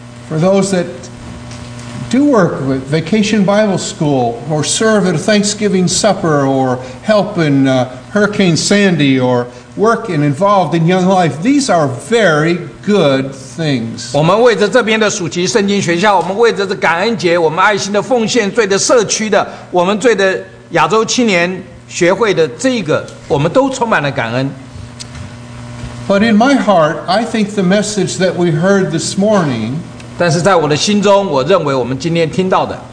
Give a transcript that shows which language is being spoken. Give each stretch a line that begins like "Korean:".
English: For those that do work with Vacation Bible School, or serve at a Thanksgiving Supper, or help in Hurricane Sandy, or work and involved in Young Life. These are very good things.
Chinese: 我们为着这边的暑期圣经学校，我们为着这感恩节，我们爱心的奉献，对着社区的，我们对着亚洲青年学会的这个，我们都充满了感恩。
English: But in my heart, I think the message that we heard this morning
Chinese: 但是在我的心中，我认为我们今天听到的